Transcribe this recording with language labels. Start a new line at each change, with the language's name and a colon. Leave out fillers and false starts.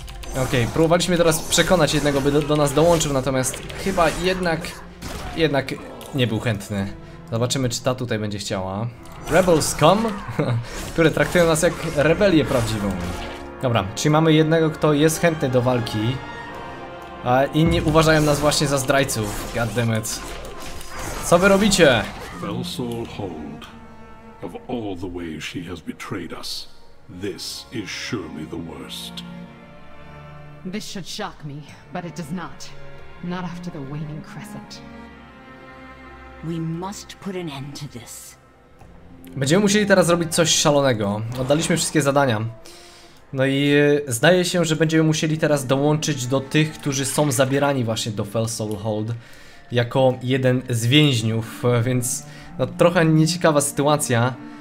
Polish: Okej, okay, próbowaliśmy teraz przekonać jednego, by do nas dołączył, natomiast chyba jednak nie był chętny. Zobaczymy, czy ta tutaj będzie chciała.
English: Rebels come,
Polish: które traktują nas jak rebelię prawdziwą. Dobra, czyli mamy jednego, kto jest chętny do walki, a inni uważają nas właśnie za zdrajców.
English: God damn it.
Polish: Co wy robicie?
English: Felsoul Hold. Of all the ways she has betrayed us, this is surely the worst. This should shock me, but it does not. Not after the waning crescent. We must put an end to this.
Polish: Będziemy musieli teraz zrobić coś szalonego. Oddaliśmy wszystkie zadania. No i zdaje się, że będziemy musieli teraz dołączyć do tych, którzy są zabierani właśnie do Felsoul Hold jako jeden z więźniów, więc no, trochę nieciekawa sytuacja.